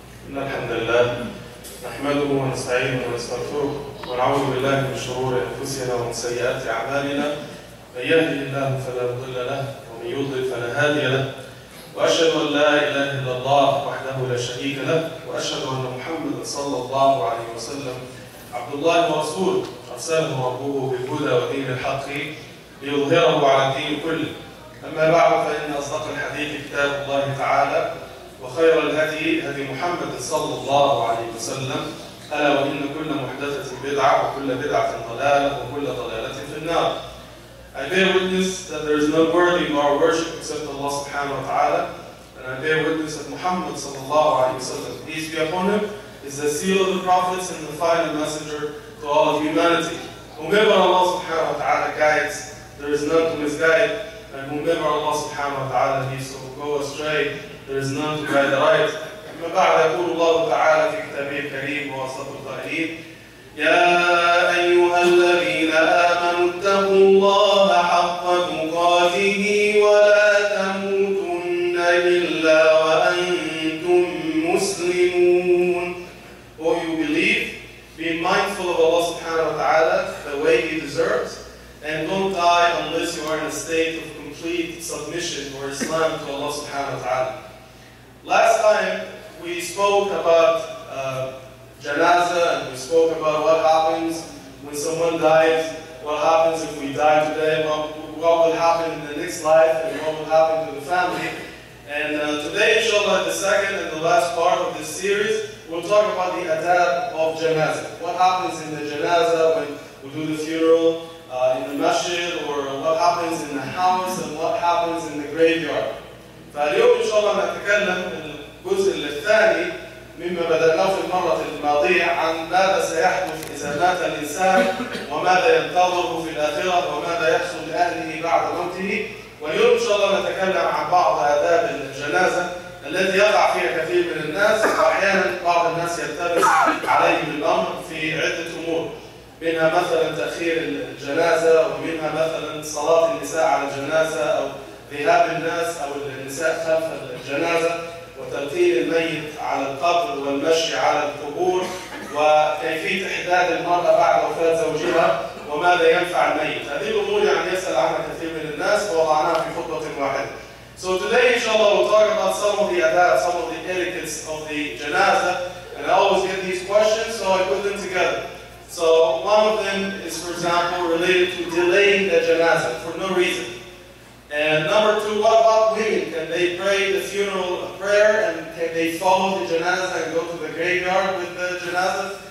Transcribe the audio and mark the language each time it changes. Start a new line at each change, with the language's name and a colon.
Arabic: إن الحمد لله نحمده ونستعينه ونستغفره ونعوذ بالله من شرور أنفسنا ومن سيئات أعمالنا، من يهده الله فلا مضل له ومن يضلل فلا هادي له، وأشهد أن لا إله إلا الله وحده لا شريك له، وأشهد أن محمدا صلى الله عليه وسلم عبد الله ورسوله أرسله ربه بالهدى ودين الحق ليظهره على الدين كله. أما بعد، فإن أصدق الحديث كتاب الله تعالى وخير الهدي هدي محمد صلى الله عليه وسلم، ألا وإن كل محدثة بدعة وكل بدعة ضلالة وكل ضلالة في النار.
English: I bear witness that there is no worthy in our worship except Allah subhanahu wa ta'ala, and I bear witness that Muhammad صلى الله عليه وسلم, peace be upon him, is the seal of the prophets and the final messenger to all of humanity. Whomever Allah subhanahu wa ta'ala guides, there is none to misguide, and whomever Allah subhanahu wa ta'ala leads to go astray, there is none to guide the right.
Arabic: أما بعد، يقول الله تعالى في كتابه الكريم وصدق القائلين: يا أيها الذين آمنوا اتقوا الله حق تقاته ولا تموتن إلا وأنتم مسلمون.
English: Or you believe, be mindful of Allah subhanahu wa ta'ala the way he deserves, and don't die unless you are in a state of complete submission or Islam to Allah subhanahu wa ta'ala. Last time we spoke about janaza, and we spoke about what happens when someone dies, what happens if we die today, what will happen in the next life, and what will happen to the family. And today, inshallah, the second and the last part of this series, we'll talk about the adab of janaza. What happens in the janaza when we do the funeral in the masjid, or what happens in the house, and what happens in the graveyard.
Arabic: فاليوم إن شاء الله نتكلم الجزء الثاني مما بدأناه في المرة الماضية عن ماذا سيحدث إذا مات الإنسان وماذا ينتظره في الآخرة وماذا يحصل لأهله بعد موته. واليوم إن شاء الله نتكلم عن بعض آداب الجنازة التي يقع فيها كثير من الناس، وأحيانا بعض الناس يلتبس عليهم الأمر في عدة أمور، منها مثلا تأخير الجنازة، ومنها مثلا صلاة النساء على الجنازة أو ذهاب الناس أو النساء خلف الجنازة وترتيل الميت على القبر والمشي على القبور وكيفية إحداد المرأة بعد وفاة زوجها وماذا ينفع الميت. هذه الأمور يعني يسأل عنها كثير من الناس ووضعناها في خطبة واحدة.
English: So today inshallah we'll talk about some of the adab, some of the etiquettes of the janaza, and I always get these questions so I put them together. So one of them is, for example, related to delaying the janaza for no reason. And number two, what about women? Can they pray the funeral prayer, and can they follow the janazah and go to the graveyard with the janazah?